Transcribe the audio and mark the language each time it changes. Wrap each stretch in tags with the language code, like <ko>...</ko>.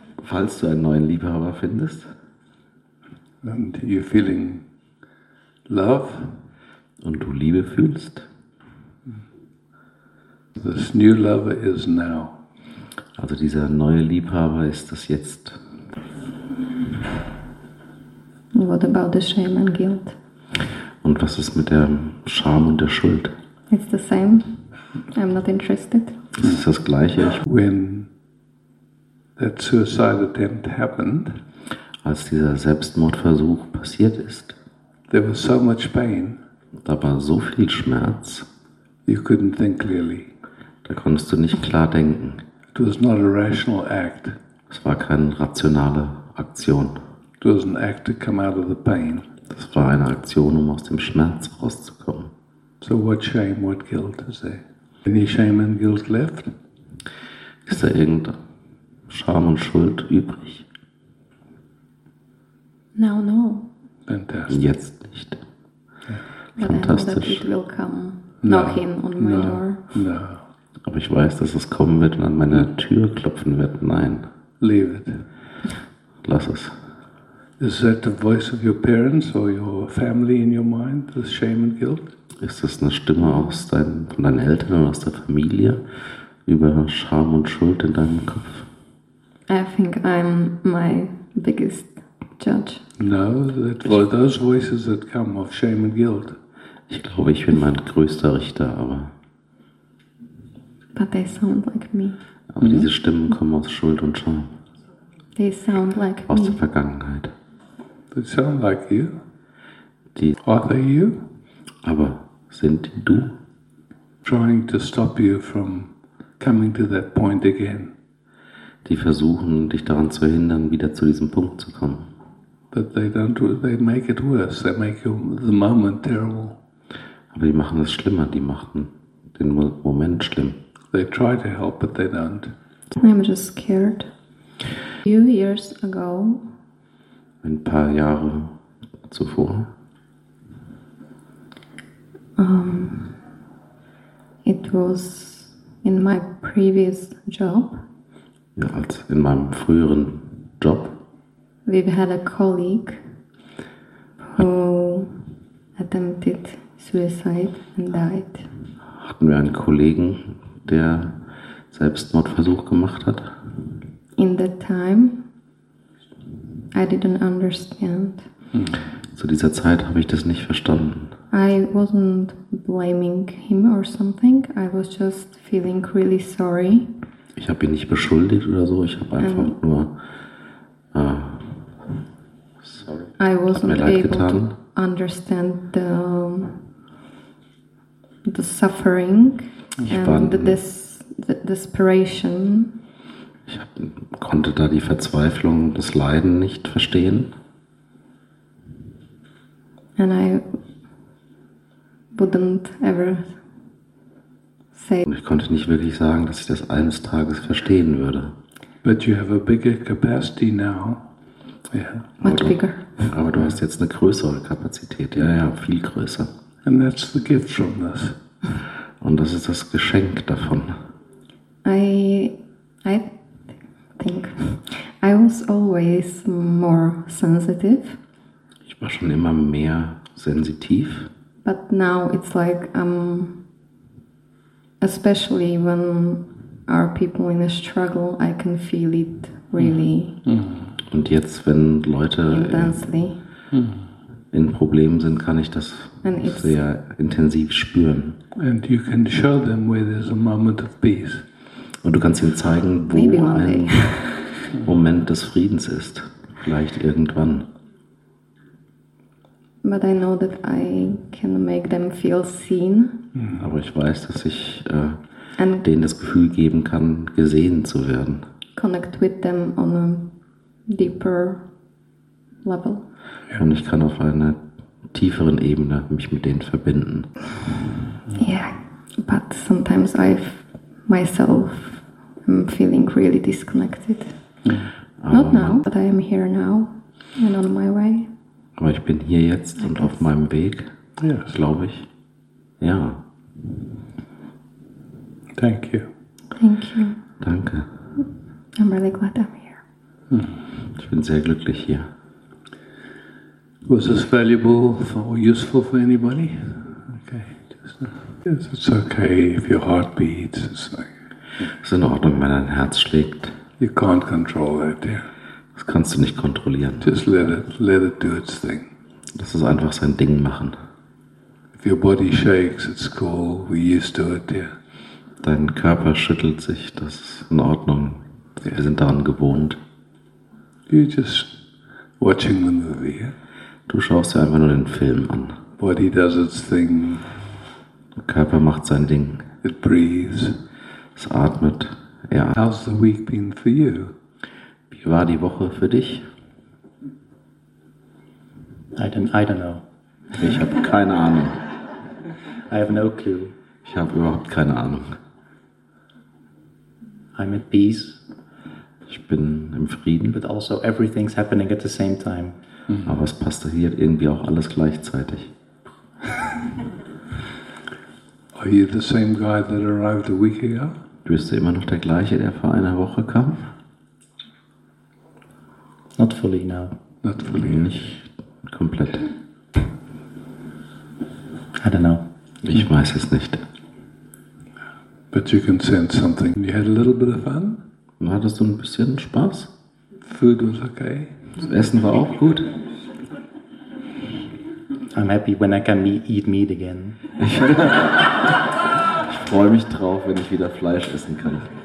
<de>falls du einen neuen Liebhaber findest,</de> <en>and you're feeling love,</en> <de>und du Liebe fühlst,</de> <en>this new lover is now.</en> <de>Also dieser neue Liebhaber ist das jetzt.</de> <en>What about the shame and guilt?</en> <de>Und was ist mit der Scham und der Schuld?</de> <en>It's the same. I'm not interested.</en> <de>Es ist das Gleiche.</de> <en>When that suicide attempt happened,</en> <de>als dieser Selbstmordversuch passiert ist,</de> <en>there was so much pain,</en> <de>da war so viel Schmerz,</de> <en>you couldn't think clearly.</en> <de>Da konntest du nicht klar denken.</de> <en>It was not a rational act.</en> <de>Es war keine rationale Aktion.</de> <en>It was an act to come out of the pain.</en> <de>Das war eine Aktion, um aus dem Schmerz rauszukommen.</de> <en>So what shame, what guilt is there? Any shame and guilt left?</en> <de>Ist da irgendein Scham und Schuld übrig?</de> <en>Now no. Fantastic.</en> <de>Jetzt nicht.</de> <en>Yeah.</en> <de>Fantastisch.</de> <en>But I know that it will come knocking on my door. No.</en> <de>Aber ich weiß, dass es kommen wird und an meine Tür klopfen wird. Nein.</de> <en>Leave it.</en> <de>Lass es.</de> <en>Is that the voice of your parents or your family in your mind, the shame and guilt?</en> <de>Ist das eine Stimme aus von deinen Eltern und aus der Familie über Scham und Schuld in deinem Kopf?</de> <en>I think I'm my biggest judge. No, that voice, those voices that come of shame and guilt.</en> <de>Ich glaube, ich bin mein größter Richter, aber.</de> <en>But they sound like me.</en> <de>Aber diese Stimmen kommen aus Schuld und Scham.</de> <en>They sound like</en> <de>aus der Vergangenheit.</de> <en>They sound like you.</en> <de>Die</de> <en>are they you?</en> <de>Aber sind die du?</de> <en>Trying to stop you from coming to that point again.</en> <de>Die versuchen dich daran zu hindern, wieder zu diesem Punkt zu kommen.</de> <en>But they don't. They make it worse. They make the moment terrible.</en> <de>Aber die machen es schlimmer. Die machen den Moment schlimm.</de> <en>They try to help, but they don't. I'm just scared. Few years ago,</en> <de>ein paar Jahre zuvor,</de> <en>it was in my previous job.</en> <de>Ja, als in meinem früheren Job.</de> <en>We've had a colleague who attempted suicide and died.</en> <de>Hatten wir einen Kollegen, der Selbstmordversuch gemacht hat?</de> <en>In that time, I didn't understand.</en> <de>Zu dieser Zeit habe ich das nicht verstanden.</de> <en>I wasn't blaming him or something. I was just feeling really sorry.</en> <de>Ich habe ihn nicht beschuldigt oder so. Ich habe einfach</de> <en>and</en> <de>nur</de> <en>I wasn't able</en> <de>getan.</de> <en>To understand the suffering and the desperation.</en> <de>Ich konnte da die Verzweiflung, das Leiden nicht verstehen.</de> <en>And I wouldn't ever say.</en> <de>Und ich konnte nicht wirklich sagen, dass ich das eines Tages verstehen würde.</de> <en>But you have a bigger capacity now. Yeah. Much bigger.</en> <de>Aber du hast jetzt eine größere Kapazität. Ja, ja, viel größer.</de> <en>And that's the gift from this.</en> <de>Und das ist das Geschenk davon.</de> <en>I think I was always more sensitive.</en> <de>Ich war schon immer mehr sensitiv.</de> <en>But now it's like especially when our people in a struggle, I can feel it really.</en> <de>Und jetzt, wenn Leute</de> <en>intensely.</en> <de>In Problemen sind, kann ich das</de> <en>and</en> <de>sehr intensiv spüren.</de> <en>And you can show them where there's a moment of peace.</en> <de>Und du kannst ihnen zeigen, wo ein Moment des Friedens ist. Vielleicht irgendwann.</de> <en>But I know that I can make them feel seen.</en> <de>Aber ich weiß, dass ich denen das Gefühl geben kann, gesehen zu werden.</de> <en>Connect with them on a deeper level.</en> <de>Und ich kann auf einer tieferen Ebene mich mit denen verbinden.</de> <en>Yeah, but sometimes I've myself I'm feeling really disconnected. Not now, but I am here now and on my way.</en> <de>Aber ich bin hier jetzt und auf meinem Weg,</de> <en>yes.</en> <de>Glaube ich. Ja.</de> <en>Thank you. Thank you.</en> <de>Danke.</de> <en>I'm really glad I'm here.</en> <de>Ich bin sehr glücklich hier.</de> <en>Was this valuable or useful for anybody? Okay. Yes, it's okay if your heart beats. It's like</en> <de>es ist in Ordnung, wenn dein Herz schlägt.</de> <en>You can't control that, yeah.</en> <de>Das kannst du nicht kontrollieren.</de> <en>Just let it do its thing.</en> <de>Lass es einfach sein Ding machen.</de> <en>If your body shakes, it's cool. We're used to it, yeah.</en> <de>Dein Körper schüttelt sich. Das ist in Ordnung.</de> <en>Yeah.</en> <de>Wir sind daran gewohnt.</de> <en>You're just watching the movie, yeah?</en> <de>Du schaust dir einfach nur den Film an.</de> <en>Body does its thing.</en> <de>Der Körper macht sein Ding.</de> <en>It breathes.</en> <de>Es atmet, ja.</de> <en>How's the week been for you?</en> <de>Wie war die Woche für dich?</de> <en>I don't know.</en> <de>Ich habe keine Ahnung.</de> <en>I have no clue.</en> <de>Ich habe überhaupt keine Ahnung.</de> <en>I'm at peace.</en> <de>Ich bin im Frieden.</de> <en>But also everything's happening at the same time.</en> <de>Aber es passt hier irgendwie auch alles gleichzeitig.</de> <en>Are you the same guy that arrived a week ago?</en> <de>Du bist immer noch der gleiche, der vor einer Woche kam?</de> <en>Not fully now. Not fully.</en> <de>Nicht komplett.</de> <en>I don't know.</en> <de>Ich weiß es nicht.</de> <en>But you can sense something. You had a little bit of fun?</en> <de>Hattest du ein bisschen Spaß?</de> <en>Food was okay.</en> <de>Das Essen war auch gut.</de> <en>I'm happy when I can eat meat again.</en> <de>Ich freue mich drauf, wenn ich wieder Fleisch essen kann.</de>